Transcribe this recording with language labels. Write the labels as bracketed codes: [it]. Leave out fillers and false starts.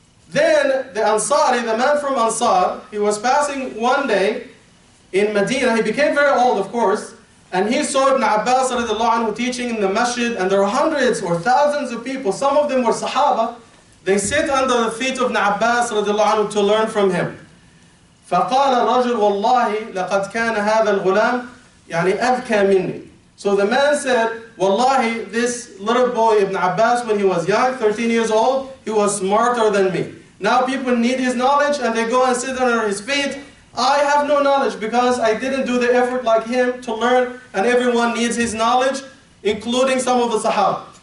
[en] Then the Ansari, the man from Ansar, he was passing one day in Medina. He became very old, of course. And he saw Ibn Abbas radiallahu anhu teaching in the masjid. And there are hundreds or thousands of people. Some of them were Sahaba. They sit under the feet of Ibn Abbas radiallahu anhu to learn from him. [ar] فقال الرجل والله لقد كان هذا الغلام يعني أذكى مني. [en] So the man said, Wallahi, this little boy Ibn Abbas, when he was young, 13 years old, he was smarter than me. Now people need his knowledge and they go and sit under his feet. I have no knowledge because I didn't do the effort like him to learn and everyone needs his knowledge, including some of the Sahaba.